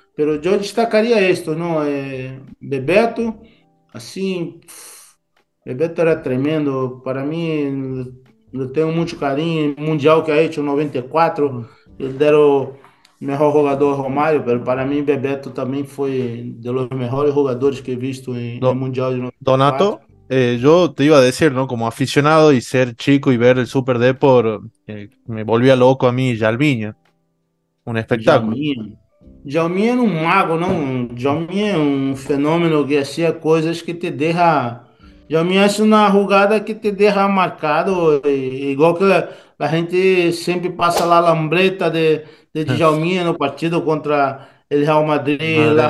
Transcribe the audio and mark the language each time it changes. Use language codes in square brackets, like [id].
[pt] Pero eu destacaria isto, não? Bebeto, assim, Bebeto era tremendo. Para mim, eu tenho muito carinho. Mundial que aí tinha 94, ele deram o melhor jogador Romário, pero para mim, Bebeto também foi [es] de los mejores jugadores que he visto [pt] em Mundial de 94. [es] Donato, yo te iba a decir, ¿no? Como aficionado y ser chico y ver el Super Depor, me volvía loco a mí, Jalminho. Un espectáculo. [pt] Jalminho era um mago, não? Jalminho é um fenômeno que fazia coisas que te deixa. Jalminho é uma jogada que te deixa marcado, igual que a gente sempre passa lá a lambreta de Jalminho no partido contra o Real Madrid, a